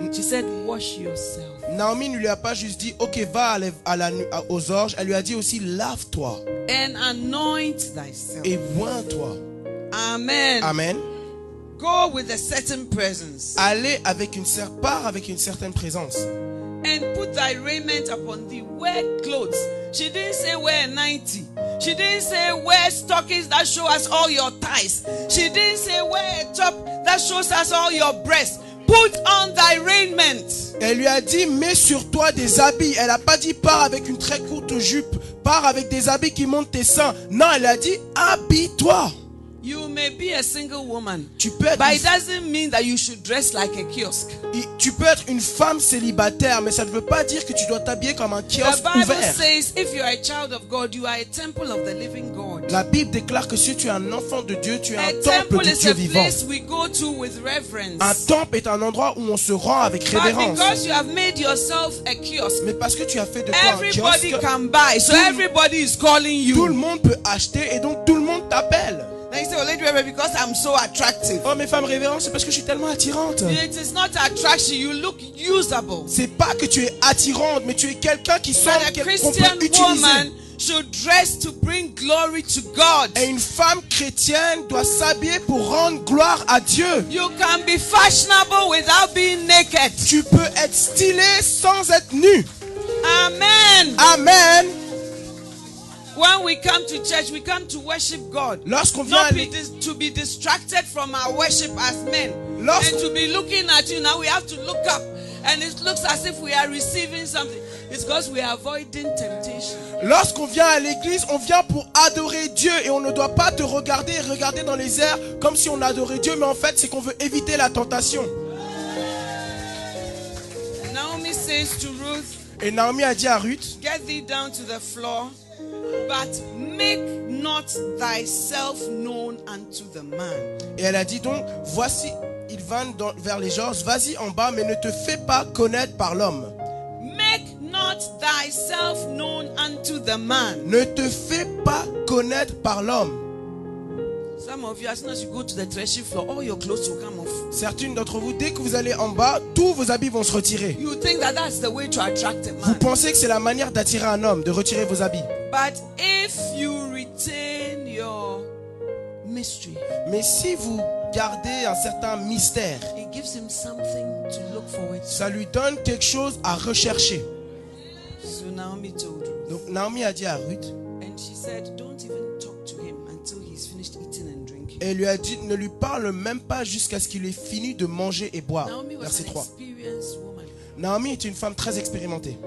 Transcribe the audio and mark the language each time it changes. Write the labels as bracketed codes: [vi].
[en] She said, wash yourself. [fr] Naomi ne lui a pas juste dit, ok, va aux orges. Elle lui a dit aussi, lave-toi. [en] And anoint thyself. [fr] Et oins-toi. [en] Amen. [fr] Amen. [en] Go with a certain presence. [fr] Allez avec une certaine, part avec une certaine présence. [en] And put thy raiment upon thee, wear clothes. She didn't say wear 90. She didn't say wear stockings that show us all your thighs. She didn't say wear a top that shows us all your breasts. Put on thy raiment. [fr] Elle lui a dit, mets sur toi des habits. Elle n'a pas dit, pars avec une très courte jupe. Pars avec des habits qui montent tes seins. Non, elle a dit, habille-toi. [en] You may be a single woman, [fr] tu peux être, [en] but it doesn't mean that you should dress like a kiosque. [fr] Tu peux être une femme célibataire, mais ça ne veut pas dire que tu dois t'habiller comme un kiosque ouvert. [en] The Bible says, if you are a child of God, you are a temple of the living God. [fr] La Bible déclare que si tu es un enfant de Dieu, tu es un temple de Dieu vivant. [en] A temple is a place we go to with reverence. [fr] Un temple est un endroit où on se rend avec révérence. [en] But because you have made yourself a kiosque, [fr] mais parce que tu as fait de [en] everybody un kiosque, can buy, so everybody is calling you. [fr] Tout le monde peut acheter et donc tout le monde t'appelle. [en] Now you say, oh, lady reverend, because I'm so attractive. [fr] Oh, mes femmes révérentes, c'est parce que je suis tellement attirante. [en] It is not attraction, you look usable. [fr] C'est pas que tu es attirante, mais tu es quelqu'un qui semble qu'on peut utiliser. [en] But a Christian woman should dress to bring glory to God. [fr] Et une femme chrétienne doit s'habiller pour rendre gloire à Dieu. [en] You can be fashionable without being naked. [fr] Tu peux être stylé sans être nu. [en] Amen. [fr] Amen. [en] When we come to church, we come to worship God. [fr] Lorsqu'on [en] vient to be distracted from our worship as men. And to be looking at you. Now we have to look up. And it looks as if we are receiving something. It's because we are avoiding temptation. [fr] Lorsqu'on vient à l'église, on vient pour adorer Dieu. Et on ne doit pas te regarder et regarder dans les airs comme si on adorait Dieu. Mais en fait, c'est qu'on veut éviter la tentation. [en] Naomi says to Ruth. [fr] Et Naomi a dit à Ruth. [en] Get thee down to the floor. But make not thyself known unto the man. [fr] Et elle a dit donc, voici, ils vont vers les georges, vas-y en bas, mais ne te fais pas connaître par l'homme. [en] not thyself known unto the man. [fr] Ne te fais pas connaître par l'homme. [en] Some of you, as soon as you go to the threshing floor, all your clothes will come off. [fr] Certains d'entre vous, dès que vous allez en bas, tous vos habits vont se retirer. [en] You think that that's the way to attract a man. [fr] Vous pensez que c'est la manière d'attirer un homme, de retirer vos habits. [en] But if you retain your mystery, [fr] mais si vous gardez un certain mystère, [en] it gives him something to look forward to. [fr] Ça lui donne quelque chose à rechercher. [en] So Naomi told Ruth. [fr] Donc Naomi a dit à Ruth. [en] And she said, don't even talk to him until he's finished eating and drinking. [fr] Elle lui a dit, ne lui parle même pas jusqu'à ce qu'il ait fini de manger et boire. [en] Naomi was [fr] verset 3. [en] An experienced woman. [fr] Naomi est une femme très expérimentée.